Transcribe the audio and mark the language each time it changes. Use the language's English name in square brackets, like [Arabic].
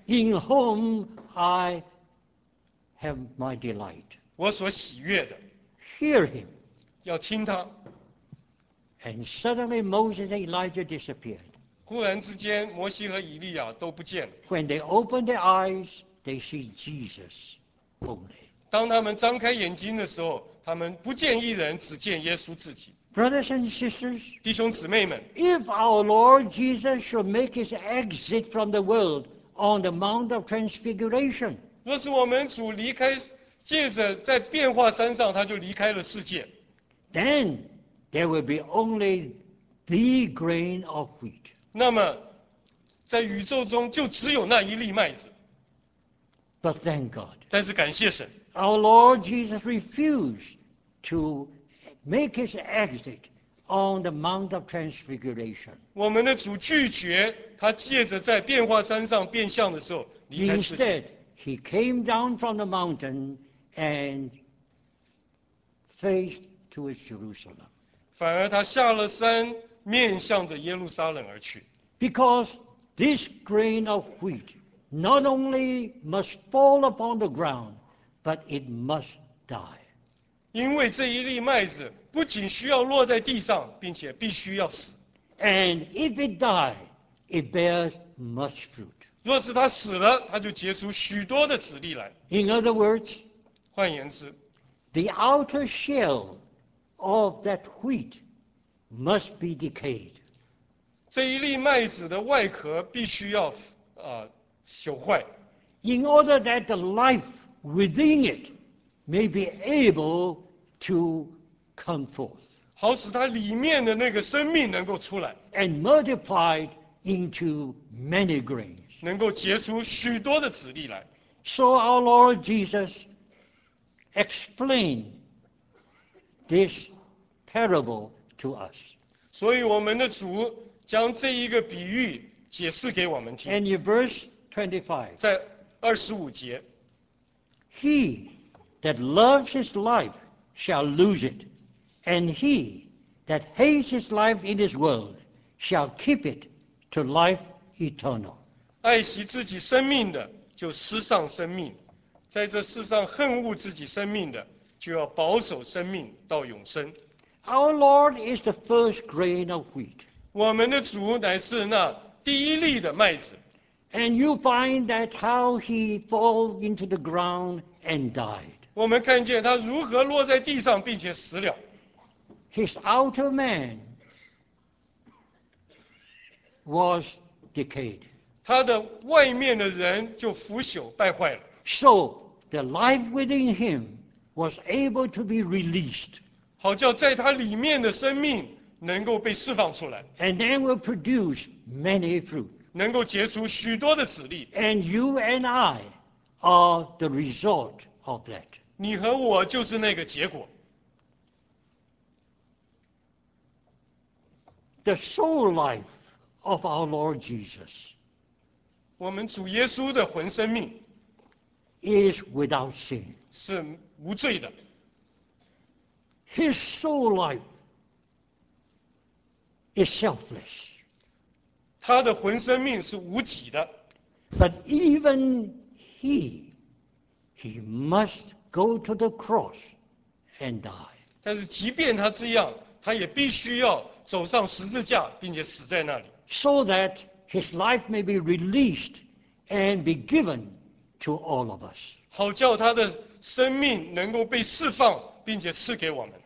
[English] In whom I have my delight. [Chinese] 我所喜悦的。 [English] Hear him. [Chinese] 要听他。 [English] And suddenly Moses and Elijah disappeared. [Chinese] 忽然之间，摩西和以利亚都不见了。 [English] When they opened their eyes, they see Jesus only. [Chinese] 当他们张开眼睛的时候，他们不见一人，只见耶稣自己。 [English] Brothers and sisters, [Chinese] 弟兄姊妹们 [English] ，If our Lord Jesus should make his exit from the world on the Mount of Transfiguration, [Chinese] 若是我们主离开，借着在变化山上，他就离开了世界 [English] ，then There will be only the grain of wheat. [Chinese] 那么，在宇宙中就只有那一粒麦子。 [English] But thank God. [Chinese] 但是感谢神。 [English] Our Lord Jesus refused to make his exit on the Mount of Transfiguration. [Chinese] 我们的主拒绝他借着在变化山上变相的时候离开世界。 [English] Instead, he came down from the mountain and faced towards Jerusalem. [Chinese] 反而他下了山，面向着耶路撒冷而去。 [English] Because this grain of wheat not only must fall upon the ground, but it must die. [Chinese] 因为这一粒麦子不仅需要落在地上，并且必须要死。 [English] And if it dies, it bears much fruit. [Chinese] 若是它死了，它就结出许多的籽粒来。 [English] In other words, [Chinese] 换言之 [English] ，the outer shell. Of that wheat must be decayed. [Chinese] 这一粒麦子的外壳必须要朽坏。 [English] In order that the life within it may be able to come forth. [Chinese] 好使它里面的那个生命能够出来。 [English] And multiplied into many grains. [Chinese] 能够结出许多的籽粒来。 [English] So our Lord Jesus explained. This parable to us. [Chinese] 所以我们的主将这一个比喻解释给我们听。 [English] And in verse 25, [Chinese] 在二十五节 [English] He that loves his life shall lose it, and he that hates his life in this world shall keep it to life eternal. [Chinese] 爱惜自己生命的就失丧生命，在这世上恨恶自己生命的。就要保守生命到永生。 [English] Our Lord is the first grain of wheat. [Chinese] 我们的主乃是那第一粒的麦子。 [English] And you find that how he fell into the ground and died. [Chinese] 我们看见他如何落在地上并且死了。 [English] His outer man was decayed. [Chinese] 他的外面的人就腐朽败坏了。 [English] So the life within him. Was able to be released, [Chinese] 好叫在它里面的生命能够被释放出来 [English] ，and then will produce many fruit, [Chinese] 能够结出许多的籽粒 [English] ，and you and I are the result of that. [Chinese] 你和我就是那个结果。 [English] The soul life of our Lord Jesus, [Chinese] 我们主耶稣的魂生命 [English] ，is without sin. [Chinese] 是。无罪的。 [English] His soul life is selfless. [Chinese] 他的魂生命是无己的。 [English] But even he must go to the cross and die. [Chinese] 但是即便他这样，他也必须要走上十字架，并且死在那里。 [English] So that his life may be released and be given to all of us. [Chinese] 好叫他的。生命能够被释放，并且赐给我们。